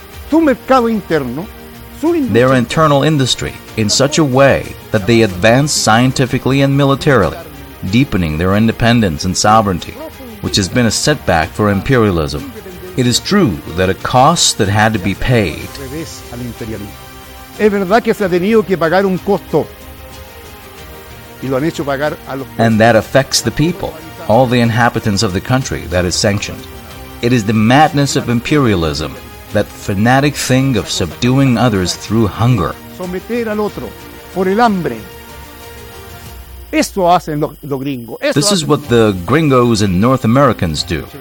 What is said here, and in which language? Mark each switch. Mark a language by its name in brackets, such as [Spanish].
[Spanish] Su mercado interno, su industria. [English] Their internal industry, in such a way that they advance scientifically and militarily, deepening their independence and sovereignty, which has been a setback for imperialism. It is true that a cost that had to be paid. [Spanish] Es verdad que se ha tenido que pagar un costo. [English] And that affects the people, all the inhabitants of the country that is sanctioned. It is the madness of imperialism, that fanatic thing of subduing others through hunger. This is what the gringos and North Americans do.